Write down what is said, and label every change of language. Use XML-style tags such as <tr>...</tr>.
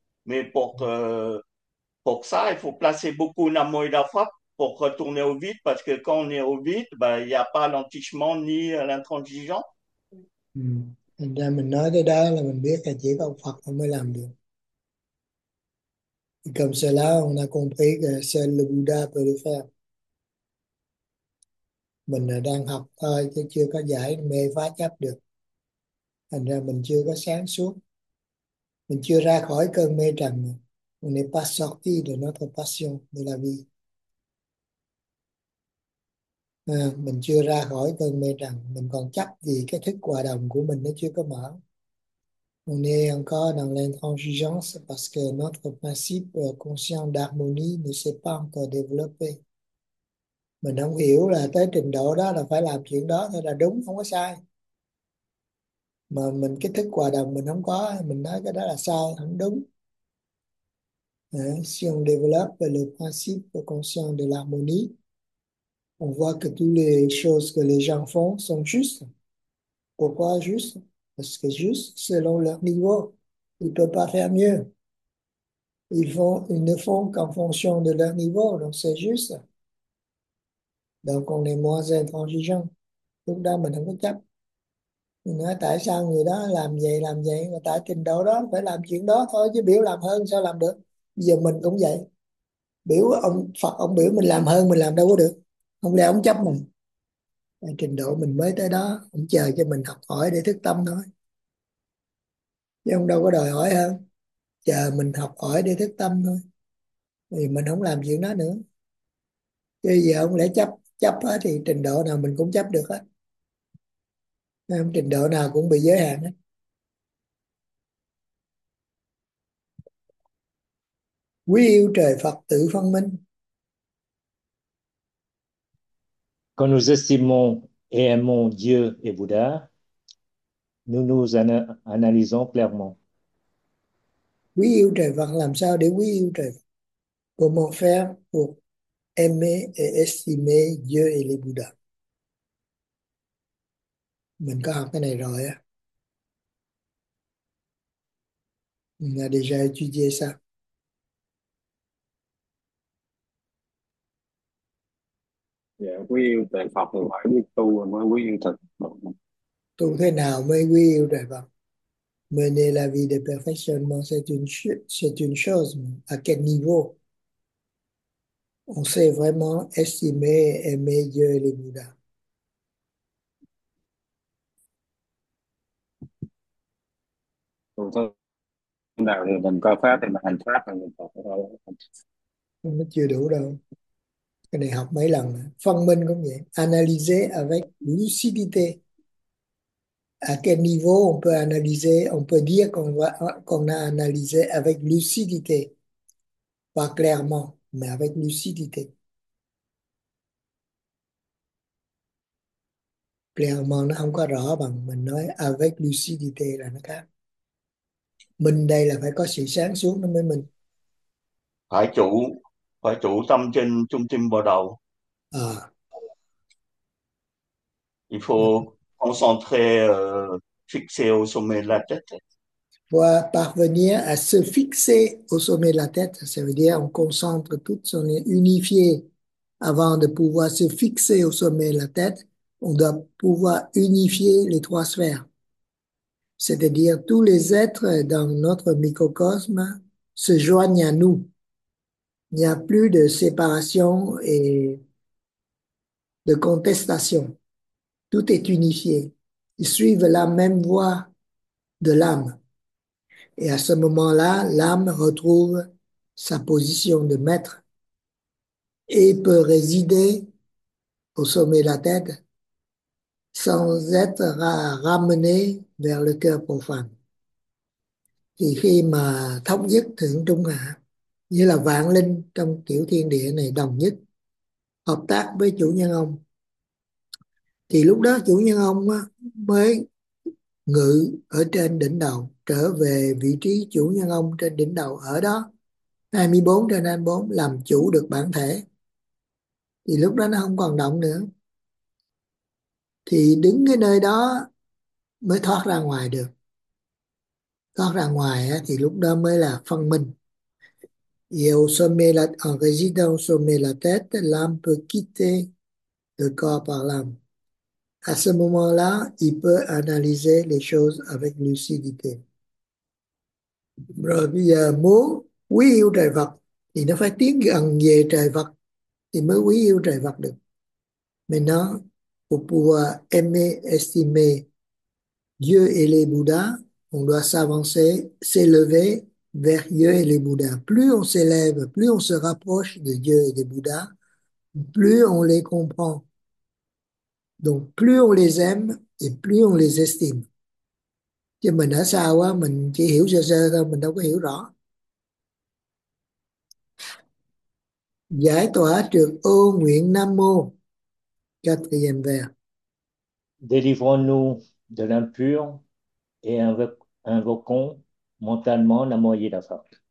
<fr>Mais pour ça, il faut placer beaucoup Nam Mô Da Phật pour retourner au vide, parce que quand on est au vide, ben, il n'y a pas l'entichement ni l'intransigeant.</fr> <vi>Thành ra mình nói tới đó là mình biết là chỉ có Phật mới làm được.</vi> <fr>Comme cela, on a compris que seul le Bouddha peut le faire.</fr> <vi>Mình là đang học thôi chứ chưa có giải mê phá chấp được. Thành ra mình chưa có sáng suốt. Mình chưa ra khỏi cơn mê trần.</vi> <fr>On n'est pas sorti de notre passion de la vie.</fr> <vi>Mình chưa ra khỏi cơn mê trần, mình còn chấp vì cái thức hòa đồng của mình nó chưa có mở.</vi> <fr>On est encore dans l'intransigeance parce que notre principe conscient d'harmonie ne s'est pas encore développé.</fr> <vi>Mình không hiểu là tới trình độ đó là phải làm chuyện đó thôi là đúng, không có sai. Mà mình cái thức hòa đồng mình không có, mình nói cái đó là sai, không đúng.</vi> <fr>Si on développe le principe conscient de l'harmonie, on voit que toutes les choses que les gens font sont justes. Pourquoi justes? Parce que juste, selon leur niveau, ils ne peuvent pas faire mieux. Ils ne font qu'en fonction de leur niveau, donc c'est juste. Donc on est moins en transition.</fr> <vi>Lúc đó mình không có chấp. Mình nói tại sao người đó làm vậy, làm vậy. Mà tại trình độ đó phải làm chuyện đó thôi. Chứ biểu làm hơn sao làm được. Bây giờ mình cũng vậy. Biểu ông Phật, ông biểu mình làm hơn, mình làm đâu có được. Không lẽ ông chấp mình. Trình độ mình mới tới đó, cũng chờ cho mình học hỏi để thức tâm thôi. Chứ ông đâu có đòi hỏi hơn. Chờ mình học hỏi để thức tâm thôi. Thì mình không làm chuyện đó nữa. Bây giờ ông lẽ chấp, chấp á thì trình độ nào mình cũng chấp được á. Không, trình độ nào cũng bị giới hạn á. Quý yêu trời Phật tự phân minh.</vi> <fr>Quand nous estimons et aimons Dieu et Bouddha, nous nous analysons clairement.</fr> <vi>Quý yêu trời Phật làm sao để quý yêu trời Phật?</vi> <fr>Comment faire pour aimer et estimer Dieu et les Bouddhas?</fr> <vi>Mình có học cái này rồi á.</vi> <fr>Mình a déjà étudié ça.</fr> <vi>Dạ, quý yêu trời Phật thì phải biết tu mới quý yêu thật. Tu thế nào mới quý yêu trời Phật?</vi> <fr>Mener la vie de perfectionnement, c'est une chose. À quel niveau? On sait vraiment estimer, aimer Dieu et les Bouddhas.</fr> <vi>Tu nào thì mình coi pháp thì mình hành pháp là mình Phật thôi. Nó chưa đủ đâu. Cái này học mấy lần nữa. Phân minh cũng vậy.</vi> <fr>Analyser avec lucidité. À quel niveau on peut analyser, on peut dire qu'on a analysé avec lucidité. Pas clairement, mais avec lucidité. Clairement,</fr> <vi>nó không có rõ bằng mình nói</vi> <fr>avec lucidité</fr> <vi>là nó khác. Mình đây là phải có sự sáng suốt nó mới mình. Phải chủ tâm trên trung tâm bồ đầu,</vi> <fr>faut concentrer fixer au sommet de la tête. Pour parvenir à se fixer au sommet de la tête, ça veut dire on concentre tout, on est unifié. Avant de pouvoir se fixer au sommet de la tête, on doit pouvoir unifier les trois sphères. C'est-à-dire tous les êtres dans notre microcosme se joignent à nous. Il n'y a plus de séparation et de contestation. Tout est unifié. Ils suivent la même voie de l'âme. Et à ce moment-là, l'âme retrouve sa position de maître et peut résider au sommet de la tête sans être ramenée vers le cœur profane.</fr> <vi>Thì khi mà thống nhất thượng trung hạ, như là vạn linh trong tiểu thiên địa này đồng nhất, hợp tác với chủ nhân ông, thì lúc đó chủ nhân ông mới ngự ở trên đỉnh đầu, trở về vị trí chủ nhân ông trên đỉnh đầu, ở đó 24 trên 24 làm chủ được bản thể, thì lúc đó nó không còn động nữa, thì đứng cái nơi đó mới thoát ra ngoài được. Thoát ra ngoài thì lúc đó mới là phân minh.</vi> <fr>Et au sommet la, en résidant au sommet la tête, l'âme peut quitter le corps par l'âme. À ce moment-là, il peut analyser les choses avec lucidité.</fr> <vi>Rồi bây giờ muốn quý yêu trời Phật thì nó phải tiến gần về trời Phật thì mới quý yêu trời Phật được.</vi> <fr>Maintenant, pour pouvoir aimer, estimer Dieu et les Bouddhas, on doit s'avancer, s'élever vers Dieu et les Bouddhas. Plus on s'élève, plus on se rapproche de Dieu et des Bouddhas, plus on les comprend. Donc plus on les aime et plus on les estime.</fr> <vi>Chứ mình ở xa quá, mình chỉ hiểu sơ sơ thôi, mình đâu có hiểu rõ. Giải tỏa trược ô nguyện Nam Mô cho thời gian về.</vi> <fr>Délivrons-nous de l'impur et invoquons mentalement Nam Mô A Di Đà Phật.</fr>